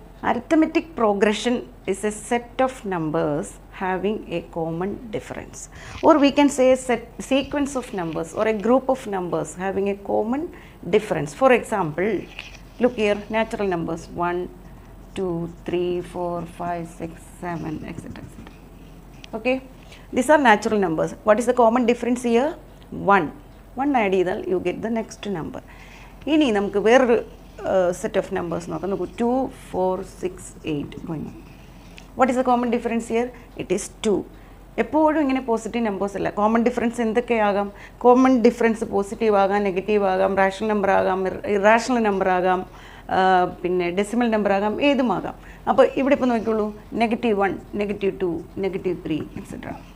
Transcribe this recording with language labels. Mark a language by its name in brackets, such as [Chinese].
[English] Arithmetic progression is a set of numbers having a common difference or we can say sequence of numbers or a group of numbers having a common difference. For example, look here, natural numbers 1, 2, 3, 4, 5, 6, 7, etc. Okay, these are natural numbers. What is the common difference here? 1 add [Malayalam] cheyal [English] you get the next number. [Malayalam] Ini namukku vera [English] set of numbers [Malayalam] nokku [English] 2, 4, 6, 8. What is the common difference here? It is 2. [Malayalam] എപ്പോഴും ഇങ്ങനെ positive numbers അല്ല. Common difference എന്തൊക്കെയാകാം? Common difference positive ആകാം, negative ആകാം, rational number ആകാം, irrational number ആകാം, പിന്നെ decimal number ആകാം, ഏതുമാകാം. അപ്പോൾ ഇവിടെ ഇപ്പോൾ നോക്കിക്കോളൂ, -1, -2, -3, etc.